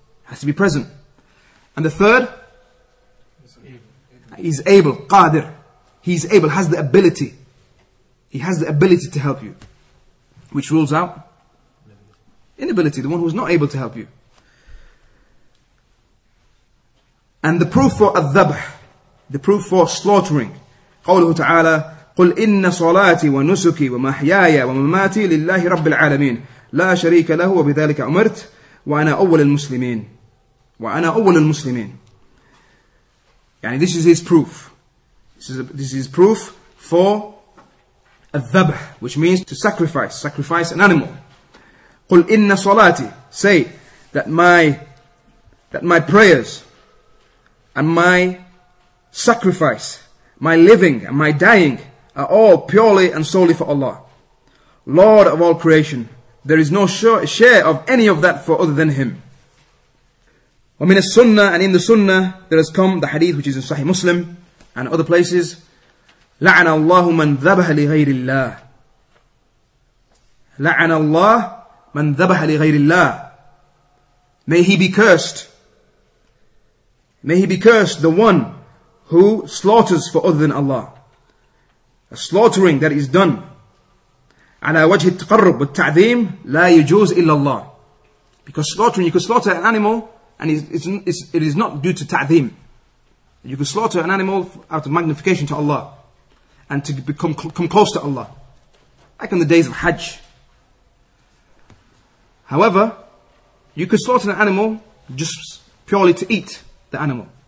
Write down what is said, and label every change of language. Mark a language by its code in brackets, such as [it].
[en] Has to be present. And the third, he's able, qadir. He's able, has the ability. He has the ability to help you. Which rules out inability, the one who's not able to help you. And the proof for al-dhabh, the proof for slaughtering, [ar] قوله تعالى, قل إن صلاتي ونسكي ومحياي ومماتي لله رب العالمين لا شريك له وبذلك أمرت وأنا أول المسلمين وأنا أول المسلمين. [en] يعني this is his proof. This is proof for الذبح, which means to sacrifice an animal. [ar] قل إن صلاتي, [en] say that my prayers and my sacrifice, my living and my dying, are all purely and solely for Allah. Lord of all creation, there is no share of any of that for other than Him. [ar] وَمِنَ السُّنَّةِ, [en] and in the sunnah, there has come the hadith which is in Sahih Muslim and other places. [ar] لَعَنَ اللَّهُ مَنْ ذَبَحَ لِغَيْرِ اللَّهِ. لَعَنَ اللَّهُ مَنْ ذَبَحَ لِغَيْرِ اللَّهِ. [en] May he be cursed. May he be cursed, the one who slaughters for other than Allah. A slaughtering that is done [ar] على وجه التقرب والتعظيم لا يجوز إلا الله. [en] Because slaughtering, you could slaughter an animal and it is not due to ta'zim. You could slaughter an animal out of magnification to Allah and to become come close to Allah. Like in the days of Hajj. However, you could slaughter an animal just purely to eat the animal.